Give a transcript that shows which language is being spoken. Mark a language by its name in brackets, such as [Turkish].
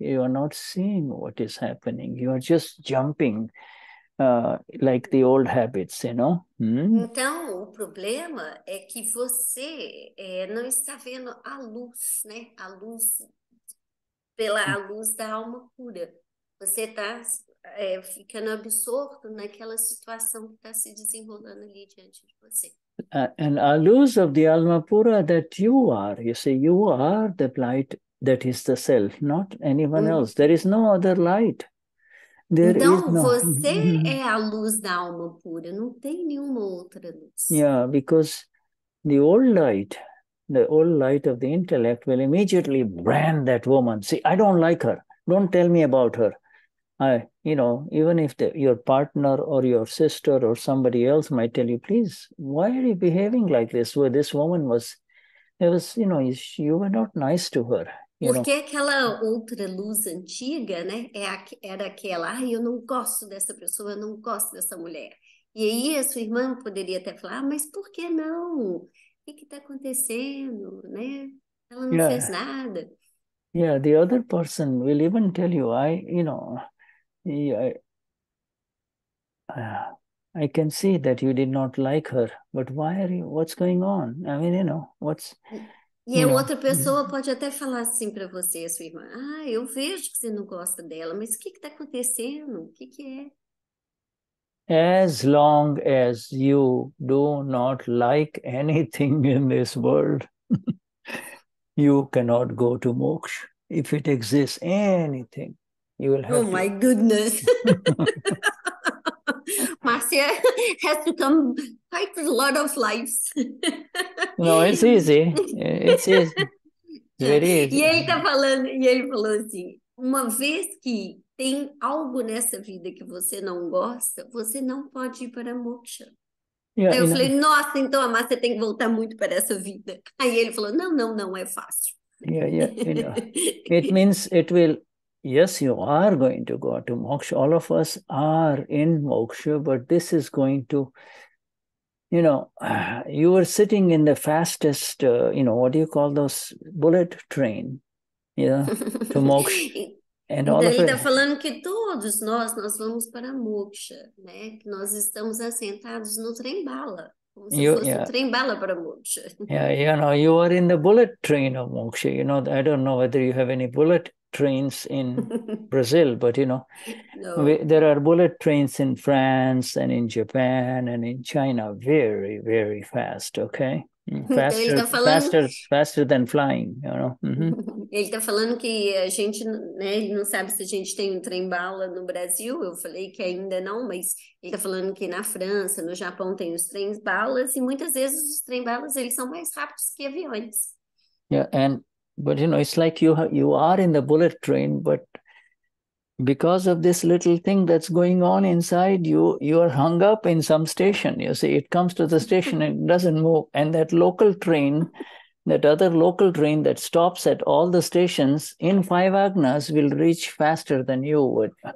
[English] You are not seeing what is happening. You are just jumping like the old habits, you know? [Portuguese] Então, o problema é que você não está vendo a luz, né? A luz, pela luz da alma pura. Você está ficando absorto naquela situação que está se desenrolando ali diante de você. [English] And a luz of the alma pura that you are, you see, you are the light that is the self, not anyone else. There is no other light. [Portuguese] Você é a luz da alma pura, não tem nenhuma outra luz. [English] Yeah, because the old light, the old light of the intellect will immediately brand that woman. See, I don't like her. Don't tell me about her. Even if your partner or your sister or somebody else might tell you, please, why are you behaving like this? Well, this woman was, it was, you know, you were not nice to her. [Portuguese] Porque aquela outra luz antiga, né, era aquela, eu não gosto dessa pessoa, eu não gosto dessa mulher. E aí a sua irmã poderia até falar, mas por que não? O que está acontecendo? Né? Ela não fez nada. [English] Yeah, the other person will even tell you, I can see that you did not like her, but why are you, what's going on? I mean, you know, what's... [Portuguese] E a outra pessoa pode até falar assim para você, sua irmã. Ah, eu vejo que você não gosta dela, mas o que está acontecendo? O que é? [English] As long as you do not like anything in this world, you cannot go to moksha. If it exists, anything, you will have Oh, my goodness. Marcia has to come quite a lot of lives. No, it's easy. It's easy. Very easy. [Portuguese] E ele tá falando, e ele falou assim, uma vez que tem algo nessa vida que você não gosta, você não pode ir para moksha. Yeah, eu falei, nossa, então a Marcia tem que voltar muito para essa vida. Aí ele falou, não, é fácil. [English] It means it will... Yes, you are going to go to moksha. All of us are in moksha, but this is going to, you know, you were sitting in the fastest, what do you call those, bullet train, to moksha. And all of us. [Portuguese] Ele está falando que todos nós vamos para moksha, né? Que nós estamos assentados no trem bala, como se fosse o trem bala para moksha. [English] You are in the bullet train of moksha. You know, I don't know whether you have any bullet trains in Brazil, but there are bullet trains in France and in Japan and in China, very, very fast, okay? Faster, [Portuguese] então ele tá falando... [English] faster than flying, [Portuguese] Ele tá falando que a gente, né, ele não sabe se a gente tem um trem bala no Brasil, eu falei que ainda não, mas ele tá falando que na França, no Japão tem os trens balas e muitas vezes os trem balas eles são mais rápidos que aviões. [English] But, it's like you are in the bullet train, but because of this little thing that's going on inside you, you are hung up in some station. You see, it comes to the station and doesn't move. And that local train, that other local train that stops at all the stations in 5 agnas will reach faster than you would.